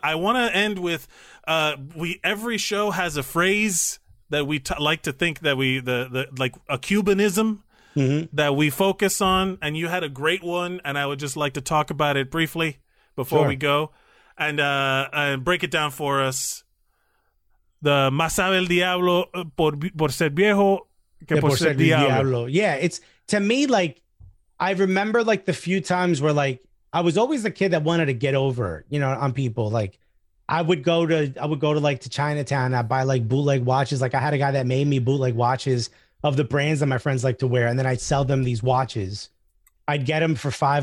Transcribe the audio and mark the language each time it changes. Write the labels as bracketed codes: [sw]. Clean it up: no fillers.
[en] I want to end with every show has a phrase that we like to think that we the like a Cubanism that we focus on, and you had a great one, and I would just like to talk about it briefly before we go and break it down for us. [es] The más sabe el diablo por ser viejo que por ser diablo. [en] Yeah, it's to me like I remember like the few times where like I was always the kid that wanted to get over, you know, on people. Like I would go to like to Chinatown. I'd buy like bootleg watches. Like I had a guy that made me bootleg watches of the brands that my friends like to wear, and then I'd sell them these watches. I'd get them for $5.